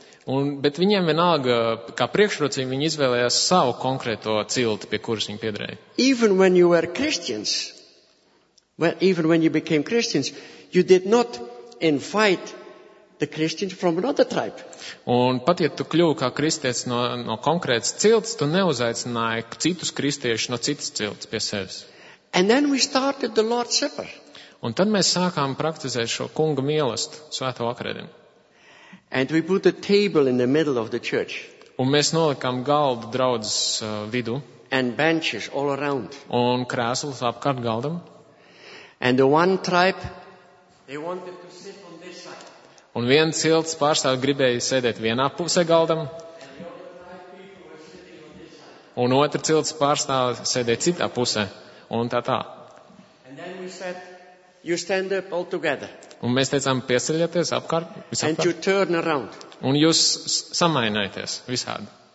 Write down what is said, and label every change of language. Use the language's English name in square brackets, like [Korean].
[Latvian] Un, bet viņiem vienalga, kā priekšrocīm, viņi izvēlējās savu konkrēto cilti, pie kuras viņi piedrēja. [English] Even when you were Christians, well, even when you became Christians, you did not invite the Christians from another tribe. [Latvian] Un pat, ja tu kļuvi kā kristietis no konkrētas cilts, tu neuzaicināji citus kristiešus no citas cilts pie sevis. [English] And then we started the Lord's Supper. [Latvian] Un tad mēs sākām praktizēt šo kunga mielastu svēto vakarēdienu. [English] And we put a table in the middle of the church. [Latvian] Un mēs nolikām galdu draudzes vidu. [English] And benches all around. [Latvian] Un krēslus apkārt galdam. [English] And the one tribe, they wanted to sit on this side. [Latvian] Un viens cilts pārstāv gribēja sēdēt vienā pusē galdam. Un otrs cilts pārstāv sēdēt citā pusē. Un tā. [English] And then we said, you stand up all together. [Latvian] Un mēs teicām, piesaļieties apkārt, visapkārt. [English] And you turn around. [Latvian] Un jūs samainājaties visādi.